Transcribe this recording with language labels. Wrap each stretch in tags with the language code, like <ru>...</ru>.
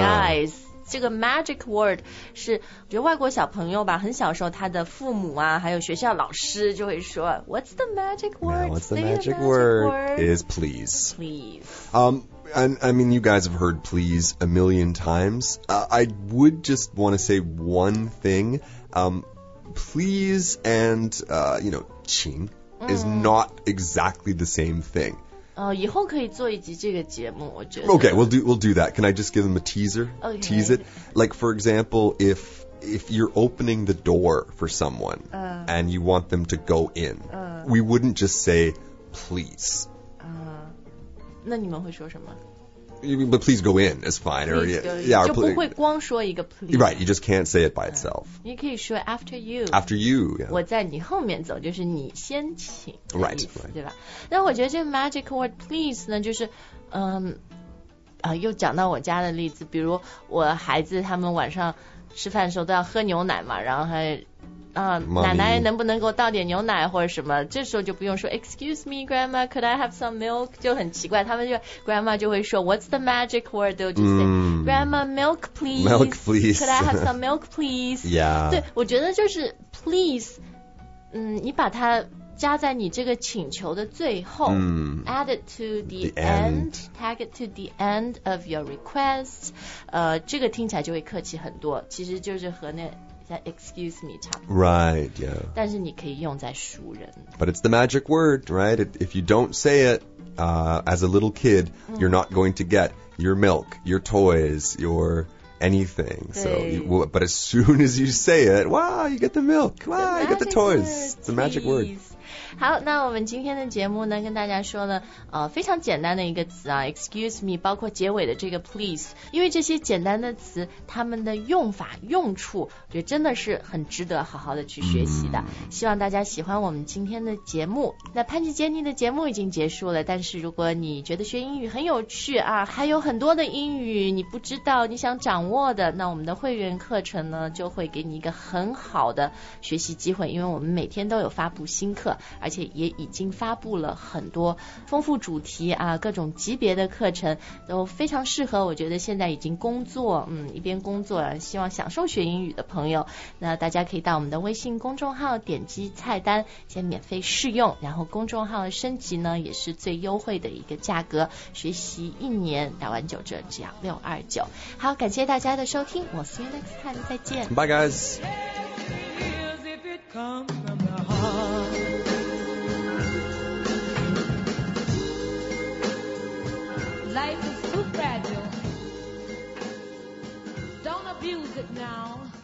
<zh>guys这个 magic word 是我觉得外国小朋友吧很小时候他的父母啊还有学校老师就会说</zh> <en>what's the magic word yeah, what's the magic word is please and I mean you guys have heard please a million times、I would just want to say one thing、please and you know 请 is not exactly the same thing</en> <zh>以后可以做一集这个节目，我觉得。</zh> <en>Okay, we'll do that. Can I just give them a teaser? Okay. Tease it. Like, for example, if you're opening the door for someone, and you want them to go in, we wouldn't just say, please.</en> <zh>那你们会说什么？</zh> <en>But please go in is fine.</en> <zh>Or, yeah, or please, 就不会光说一个 please.</zh> <en>Right, you just can't say it by itself.</en> <zh>你可以说 after you.</zh> <en>After you, yeah.</en> <zh>我在你后面走，就是你先请的意思。</zh> <en>Right, right.</en> <zh>对吧？那我觉得这个 magic word please 呢，就是又讲到我家的例子，比如我孩子他们晚上吃饭的时候都要喝牛奶嘛，然后还奶奶能不能给我倒点牛奶或者什么，这时候就不用说</zh> <en>excuse me grandma could I have some milk,</en> <zh>就很奇怪，他们就 grandma 就会说</zh> <en>what's the magic word,</en> <zh>就</zh> <en>say grandma milk please</en> <zh>could I have some milk please,</zh> <en>yeah.</en> <zh>对，我觉得就是 please, 你把它加在你这个请求的最后、</zh> <en>add it to the end tag it to the end of your request,</en> <zh>这个听起来就会客气很多，其实就是和那excuse me 差不多。</zh> <en>Right, yeah.</en> <zh>但是你可以用在熟人。</zh> <en>But it's the magic word, right? If you don't say it, as a little kid, you're not going to get your milk, your toys, your anything. So, but as soon as you say it, wow, you get the milk, wow, you get the toys. It's the magic word.</en> <zh>好，那我们今天的节目呢，跟大家说了非常简单的一个词啊 ，excuse me， 包括结尾的这个 please， 因为这些简单的词，它们的用法、用处，我觉得真的是很值得好好的去学习的。希望大家喜欢我们今天的节目。那潘吉杰尼的节目已经结束了，但是如果你觉得学英语很有趣啊，还有很多的英语你不知道、你想掌握的，那我们的会员课程呢，就会给你一个很好的学习机会，因为我们每天都有发布新课。而且也已经发布了很多丰富主题啊，各种级别的课程都非常适合我觉得现在已经工作一边工作啊，希望享受学英语的朋友，那大家可以到我们的微信公众号点击菜单先免费试用，然后公众号的升级呢也是最优惠的一个价格，学习一年29折只要629。好，感谢大家的收听，我</zh> <en>see you next time，</en> <zh>再见，</zh> <en>bye guys。 Hey, if it comes from the heart. Life is too fragile. Don't abuse it now.</en>